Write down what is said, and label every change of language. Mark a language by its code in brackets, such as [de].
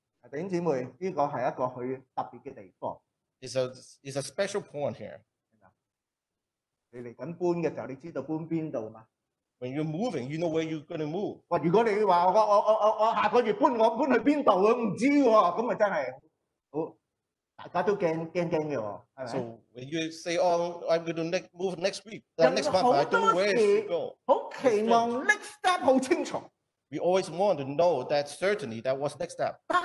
[zh] 弟兄姊妹, 这个是一个很特别的地方。 [en] It's a special point here. [zh] 你来搬的时候, 你知道搬哪里吗? [en] When you're moving, you know where you're going to move. [zh] 哇, 如果你说, 我下个月搬, 我搬去哪里, 不知道, 那就真的很, 大家都怕的, [en] So when you say, oh, I'm going to move next week, next month, I don't know where to go. [zh] 很期望, next step 很清楚。 [en] We always want to know that certainly that was next step.